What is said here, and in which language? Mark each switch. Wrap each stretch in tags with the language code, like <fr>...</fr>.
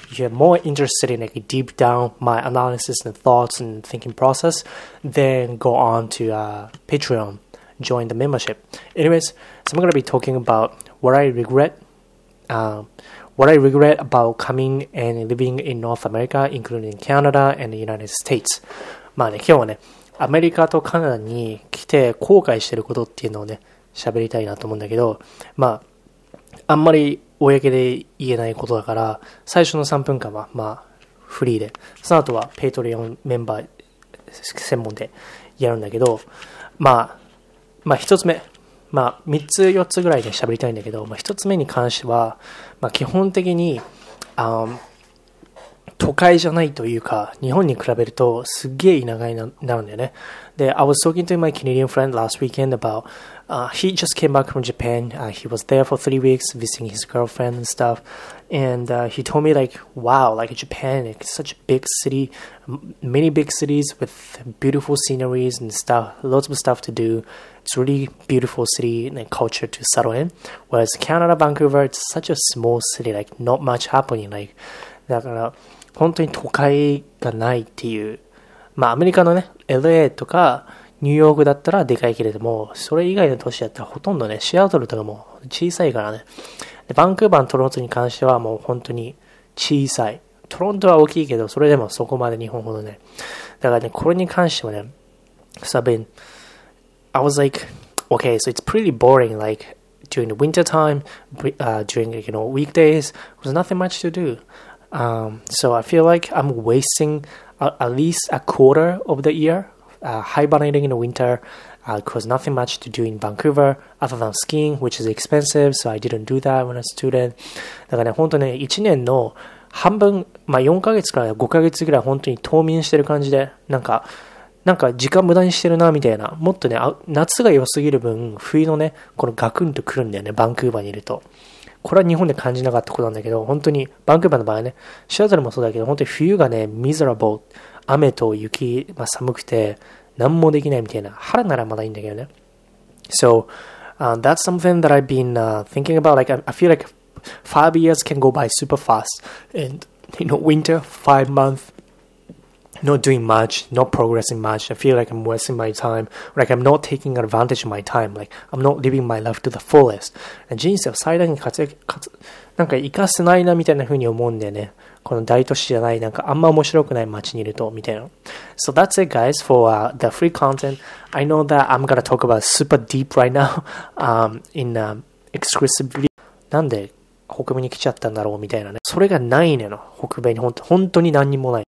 <en>If you're more interested in like deep down my analysis and thoughts and thinking process, then go on to Patreon, join the membership. Anyways, so I'm going to be talking about what I regret about coming and living in North America, including Canada and the United States.</en> <ja>まあね、今日はね、アメリカとカナダに来て後悔してることっていうのをね、喋りたいなと思うんだけど、まあ、あんまり公で言えないことだから、最初の3分間は、まあ、フリーで、その後はペイトリオンメンバー専門でやるんだけど、まあ、まあ一つ目、まあ、三つ、四つぐらいで喋りたいんだけど、まあ、一つ目に関しては、まあ、基本的に、都会じゃないというか、日本に比べると、すっげえ田舎になるんだよね。</ja> <en>で、I was talking to my Canadian friend last weekend about, he just came back from Japan. He was there for 3 weeks, visiting his girlfriend and stuff. And, he told me like, wow, like Japan, it's such a big city, many big cities with beautiful sceneries and stuff, lots of stuff to do. It's a really beautiful city and culture to settle in. Whereas Canada, Vancouver, it's such a small city, like not much happening.</en> <ja>Like, だから本当に都会がないっていう。まあアメリカのね、LA とかニューヨークだったらでかいけれども、それ以外の都市だったらほとんどね、シアトルとかも小さいからね。で、バンクーバーのトロントに関してはもう本当に小さい。トロントは大きいけど、それでもそこまで日本ほどね。だからね、これに関してはね、</ja> <en>I was like, okay, so it's pretty boring, like, during the winter time, during, you know, weekdays, there's nothing much to do. So I feel like I'm wasting at least a quarter of the year, hibernating in the winter, because nothing much to do in Vancouver, other than skiing, which is expensive, so I didn't do that when I was a student.</en> <ja>だからね、本当ね、1年の半分、まあ4ヶ月から5ヶ月ぐらい本当に冬眠してる感じで、なんか時間無駄にしてるなみたいな。もっとね、夏が良すぎる分、冬のね、このガクンと来るんだよね、バンクーバーにいると。これは日本で感じなかったことなんだけど、本当に、バンクーバーの場合はね、シアトルもそうだけど、本当に冬がね、ミゼラボー、雨と雪、まあ寒くて、何もできないみたいな。春ならまだいいんだけどね。</ja> <en>So, that's something that I've been thinking about. Like, I feel like 5 years can go by super fast. And, you know, winter, 5 months. Not doing much, not progressing much. I feel like I'm wasting my time. Like I'm not taking advantage of my time. Like I'm not living my life to the fullest.</en> <ja>And 人生を最大に生かせないなみたいな風に思うんだよね。この大都市じゃない、なんかあんま面白くない街にいるとみたいな。</ja> <en>So that's it guys for the free content. I know that I'm gonna talk about super deep right now in exclusive video.</en> <ja>なんで北米に来ちゃったんだろうみたいなね。それがないねの。北米に本当に何にもない。</ja>